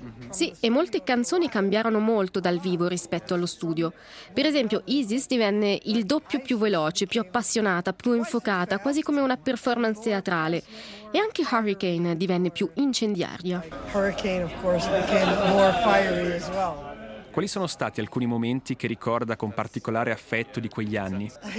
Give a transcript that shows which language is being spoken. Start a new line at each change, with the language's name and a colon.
Italian: Sì, e molte canzoni cambiarono molto dal vivo rispetto allo studio. Per esempio, Isis divenne il doppio più veloce, più appassionata, più infocata, quasi come una performance teatrale. E anche Hurricane divenne più incendiaria.
English: Hurricane, of course, became more fiery as well.
Italian: Quali sono stati alcuni momenti che ricorda con particolare affetto di quegli anni?